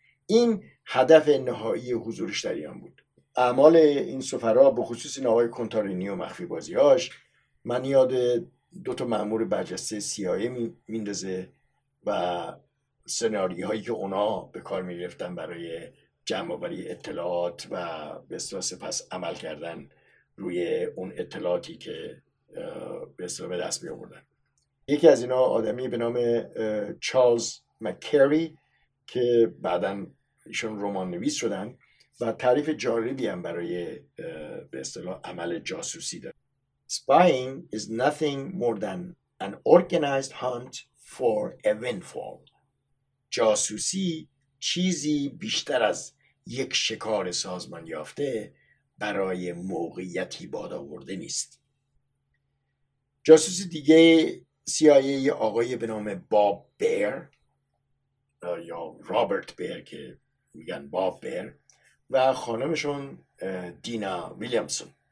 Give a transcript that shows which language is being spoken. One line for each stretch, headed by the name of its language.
Persian: این هدف نهایی حضورش در ایران بود. اعمال این سفرا به خصوص این آقای کنتارینی و مخفی بازیاش من یاد دوتا مأمور برجسته CIA میندازه و سناریوهایی که اونا به کار میگرفتن برای جمع‌آوری اطلاعات و به اصطلاح سپس عمل کردن روی اون اطلاعاتی که به اصطلاح به دست می‌آوردن. یکی از اینا آدمی به نام چارلز مک‌کری که بعداً ایشون رمان نویس شدن و تعریف جالبی هم برای به اصطلاح عمل جاسوسی داره.
English: Spying is nothing more than an organized hunt for a windfall.
Persian: جاسوسی چیزی بیشتر از یک شکار سازمان یافته برای موقعیتی باد آورده نیست. جاسوسی دیگه CIA آقای به نام باب بیر یا رابرت بیر که میگن باب بیر و خانمشون دینا ویلیامسون،